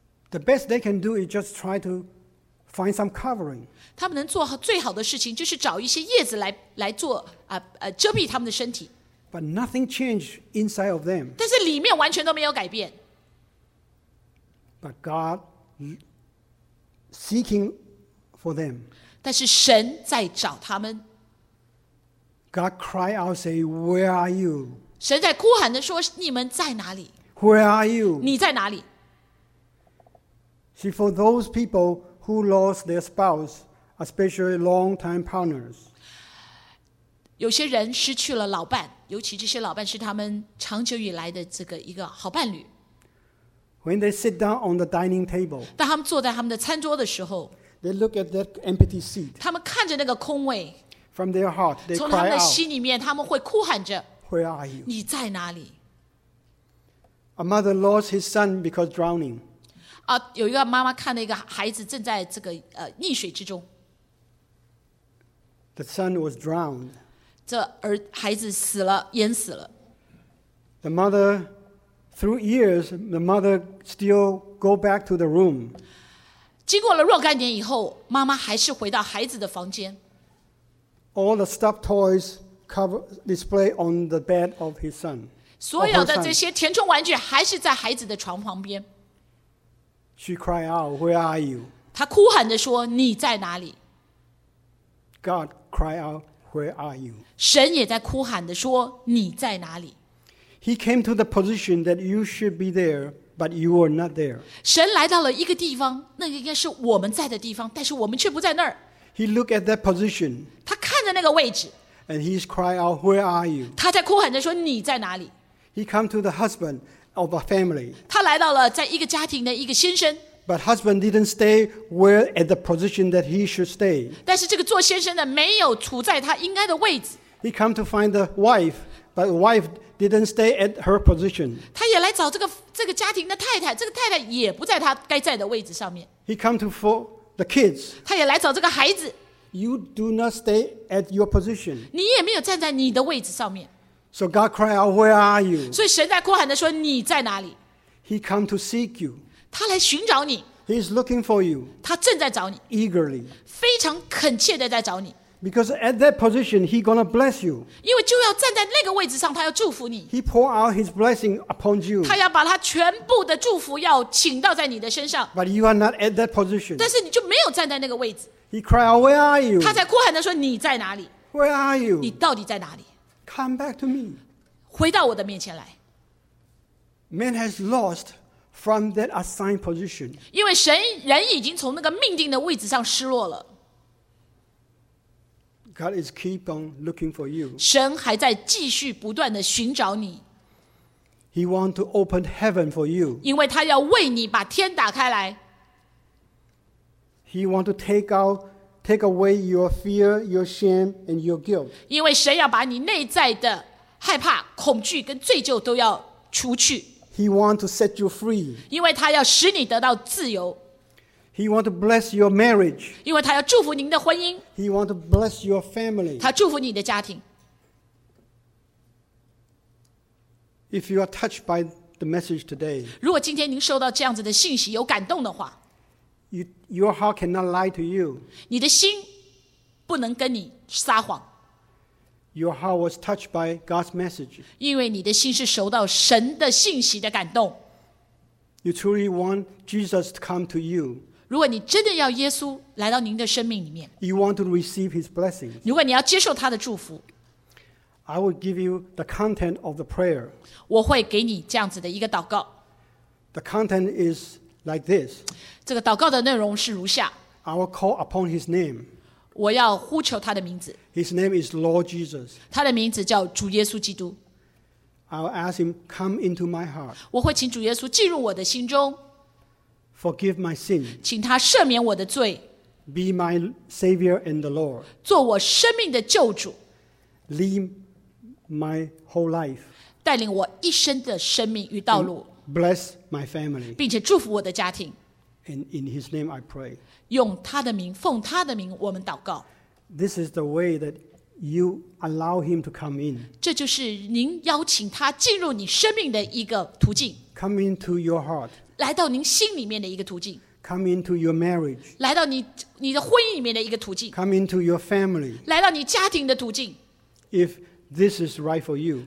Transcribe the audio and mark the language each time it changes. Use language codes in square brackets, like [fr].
[en] The best they can do is just try to find some covering. [zh] 他们能做最好的事情就是找一些叶子 来做遮蔽他们的身体。 [en] But nothing changed inside of them. [zh] 但是里面完全都没有改变。 [en] But God seeking for them. [zh] 但是神在找他们。 [en] God cry out, say, "Where are you?" [zh] 神在哭喊地说，你们在哪里？ [en] Where are you? [zh] 你在哪里？ [en] See, for those people who lost their spouse, especially long-time partners. [zh] 有些人失去了老伴，尤其这些老伴是他们长久以来的这个一个好伴侣。 [en] When they sit down on the dining table. [zh] 当他们坐在他们的餐桌的时候。 [en] They look at that empty seat. [zh] 他们看着那个空位。 [en] From their heart, they cry out. [zh] 从他们的心里面，他们会哭喊着。 [en] Where are you? [zh] 你在哪里？ [en] A mother lost his son because drowning. [zh] 有一个妈妈看到一个孩子正在这个溺水之中。 [en] The son was drowned. [zh] 这孩子死了，淹死了。 [en] The mother, through years, the mother still go back to the room. [zh] 经过了若干年以后，妈妈还是回到孩子的房间。 [en] All the stuffed toys. Cover display on the bed of his son. [zh] 所有的这些填充玩具还是在孩子的床旁边。 [en] She cried out, "Where are you?" [zh] 她哭喊着说：“你在哪里？” [en] God cry out, "Where are you?" [zh] 神也在哭喊地说，你在哪里？ [en] He came to the position that you should be there, but you were not there. [zh] 神来到了一个地方，那个应该是我们在的地方，但是我们却不在那儿。 [en] He looked at that position. [zh] 他看着那个位置。 [en] And he's crying out, "Where are you?" [zh] 他在哭喊着说，你在哪里？ [en] He came to the husband of a family. [zh] 他来到了在一个家庭的一个先生。 [en] But husband didn't stay where at the position that he should stay. [zh] 但是这个做先生的没有处在他应该的位置。 [en] He came to find the wife, but the wife didn't stay at her position. [zh] 他也来找这个家庭的太太，这个太太也不在他该在的位置上面。 [en] He came to for the kids. [zh] 他也来找这个孩子。 [en] You do not stay at your position. [zh] 你也没有站在你的位置上面。 [en] So God cried out, "Where are you?" [zh] 所以神在哭喊着说，你在哪里？ [en] He came to seek you. [zh] 他来寻找你。 [en] He is looking for you. [zh] 他正在找你。 [en] Eagerly. [zh] 非常恳切地在找你。 [en] Because at that position, he gonna bless you. [zh] 因为就要站在那个位置上，他要祝福你。 [en] He pour out his blessing upon you. [zh] 他要把他全部的祝福要倾倒在你的身上。 [en] But you are not at that position. [zh] 但是你就没有站在那个位置。 [en] He cried out, "Where are you?" [zh] 他在哭喊着说，你在哪里？ [en] Where are you? [zh] 你到底在哪里？ [en] Come back to me. [zh] 回到我的面前来。 [en] Man has lost from that assigned position. [zh] 因为神人已经从那个命定的位置上失落了。 [en] God is keep on looking for you. [zh] 神还在继续不断地寻找你。 [en] He want to open heaven for you. [zh] 因为他要为你把天打开来。 [en] He want to take away your fear, your shame, and your guilt. [zh] 因为神要把你内在的害怕、恐惧跟罪疚都要除去。 [en] He want to set you free. [zh] 因为他要使你得到自由。 [en] He want to bless your marriage. [zh] 因为他要祝福您的婚姻。 [en] He want to bless your family. [zh] 他祝福你的家庭。 [en] If you are touched by the message today, [zh] 如果今天您收到这样子的信息有感动的话。 [en] Your heart cannot lie to you. [zh] 你的心不能跟你撒谎。 [en] Your heart was touched by God's message. [zh] 因为你的心是受到神的信息的感动。 [en] You truly want Jesus to come to you. [zh] 如果你真的要耶稣来到您的生命里面。 [en] You want to receive His blessings. [zh] 如果你要接受他的祝福。 [en] I will give you the content of the prayer. [zh] 我会给你这样子的一个祷告。 [en] The content is like this. [zh] 这个祷告的内容是如下。 [en] I will call upon his name. [zh] 我要呼求他的名字。 [en] His name is Lord Jesus. [zh] 他的名字叫主耶稣基督。 [en] I will ask him come into my heart. [zh] 我会请主耶稣进入我的心中。 [en] Forgive my sin. [zh] 请他赦免我的罪。 [en] Be my Savior and the Lord. [zh] 做我生命的救主。 [en] Lead my whole life. [zh] 带领我一生的生命与道路。 [en] Bless my family. [zh] 并且祝福我的家庭。 [en] And in his name I pray. [zh] 用他的名，奉他的名，我们祷告。 [en] This is the way that you allow him to come in. [zh] 这就是您邀请他进入你生命的一个途径。 [en] Come into your heart. [zh] 来到您心里面的一个途径。 [en] Come into your marriage. [zh] 来到你的婚姻里面的一个途径。 [en] Come into your family. [zh] 来到你家庭的途径。 [en] If this is right for you.